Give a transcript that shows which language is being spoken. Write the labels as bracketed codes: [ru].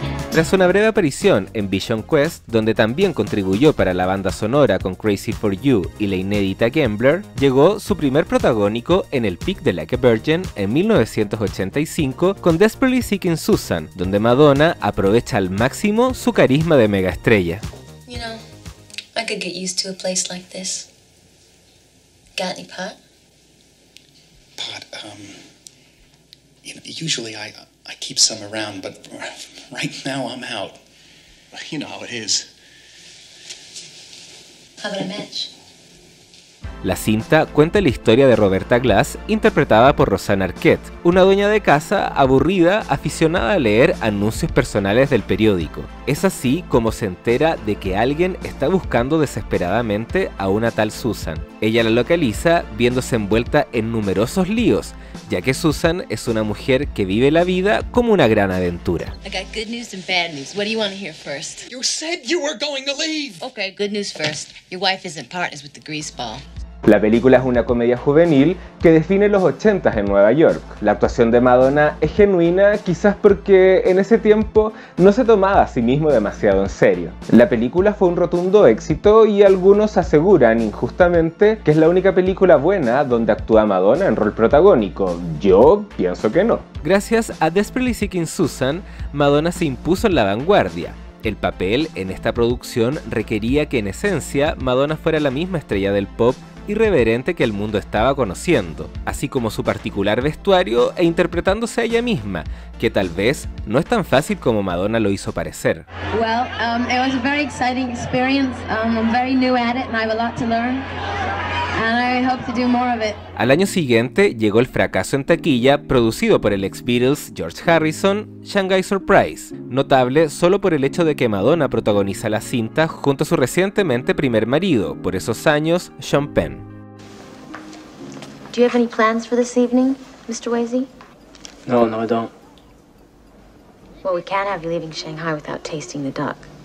[es] Tras una breve aparición en Vision Quest, donde también contribuyó para la banda sonora con Crazy for You y la inédita Gambler, llegó su primer protagónico en el peak de Like a Virgin en 1985 con Desperately Seeking Susan, donde Madonna aprovecha al máximo su carisma de megaestrella. [en] You know, I could get used to a place like this. Got any pot? Pot, you know, usually I keep some around, but right now I'm out. You know how it is. How about a match? [es] La cinta cuenta la historia de Roberta Glass, interpretada por Rosanna Arquette, una dueña de casa aburrida, aficionada a leer anuncios personales del periódico. Es así como se entera de que alguien está buscando desesperadamente a una tal Susan. Ella la localiza viéndose envuelta en numerosos líos, ya que Susan es una mujer que vive la vida como una gran aventura. [en] I got good news and bad news. What do you want to hear first? You said you were going to leave. Okay, good news first. Your wife isn't partners with the greaseball. [es] La película es una comedia juvenil que define los 80s en Nueva York. La actuación de Madonna es genuina, quizás porque en ese tiempo no se tomaba a sí mismo demasiado en serio. La película fue un rotundo éxito y algunos aseguran injustamente que es la única película buena donde actúa Madonna en rol protagónico. Yo pienso que no. Gracias a Desperately Seeking Susan, Madonna se impuso en la vanguardia. El papel en esta producción requería que, en esencia, Madonna fuera la misma estrella del pop irreverente que el mundo estaba conociendo, así como su particular vestuario e interpretándose a ella misma, que tal vez no es tan fácil como Madonna lo hizo parecer. [en] Well, it was a very exciting experience. I'm very new at it and I have a lot to learn. And I hope to do more of it. [es] Al año siguiente llegó el fracaso en taquilla producido por el ex Beatles George Harrison, Shanghai Surprise, notable solo por el hecho de que Madonna protagoniza la cinta junto a su recientemente primer marido, por esos años, Sean Penn. [en] Do you have any plans for this evening, Mr. Wayze? No, no, I don't. Well, we can't have you leaving Shanghai without tasting the duck.